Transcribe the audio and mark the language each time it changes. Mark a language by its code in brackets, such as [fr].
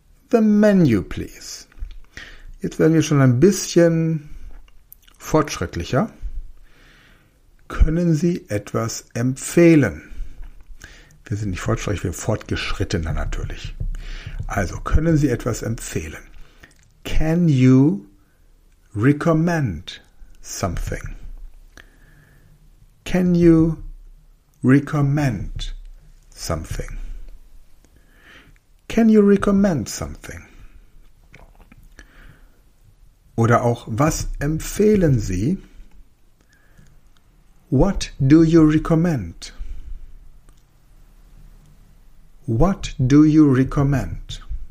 [en] The menu, please. [de] Jetzt werden wir schon ein bisschen fortschrittlicher. Können Sie etwas empfehlen? Wir sind nicht fortschrittlich, wir sind fortgeschrittener natürlich. Also, können Sie etwas empfehlen? [en] Can you recommend something? Can you recommend something? Can you recommend something? [de] Oder auch, was empfehlen Sie? [en] What do you recommend? What do you recommend?